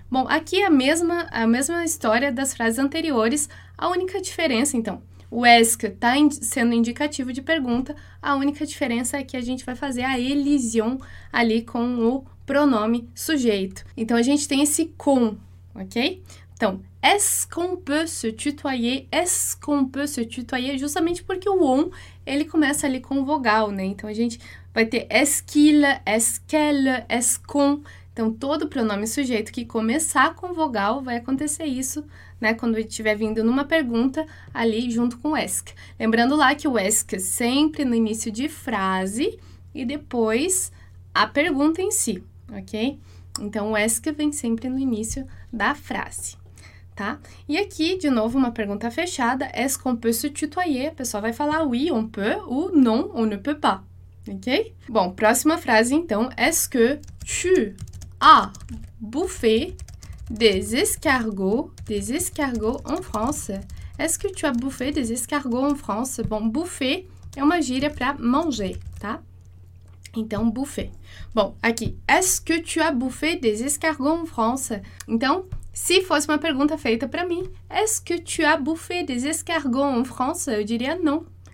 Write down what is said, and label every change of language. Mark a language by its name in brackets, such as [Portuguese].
[Portuguese] Bom, aqui é a mesma história das frases anteriores, a única diferença, então, o est-ce está sendo indicativo de pergunta, a única diferença é que a gente vai fazer a elision ali com o pronome sujeito. Então, a gente tem esse com, ok? Então, [French] est-ce qu'on peut se tutoyer? Est-ce qu'on peut se tutoyer? [Portuguese] Justamente porque o on, ele começa ali com vogal, né? Então, a gente vai ter [French] est-ce qu'il, est-ce qu'elle, est-ce qu'on. [Portuguese] Então, todo pronome sujeito que começar com vogal vai acontecer isso, né? Quando ele estiver vindo numa pergunta ali junto com est-ce. Lembrando lá que o est-ce sempre no início de frase e depois a pergunta em si, ok? Então, o est-ce vem sempre no início da frase. Tá? E aqui, de novo, uma pergunta fechada. [French] Est-ce qu'on peut se tutoyer? [Portuguese] A pessoa vai falar [French] oui, on peut, ou non, on ne peut pas. [Portuguese] Ok? Bom, próxima frase, então. [French] Est-ce que tu as bouffé des escargots en France? Est-ce que tu as bouffé des escargots en France? [Portuguese] Bom, bouffé é uma gíria para manger, tá? Então, bouffé. Bom, aqui. [French] Est-ce que tu as bouffé des escargots en France? [Portuguese] Então, se fosse uma pergunta feita para mim, [French] est-ce que tu as bouffé des escargots en France? [Portuguese] Eu diria não.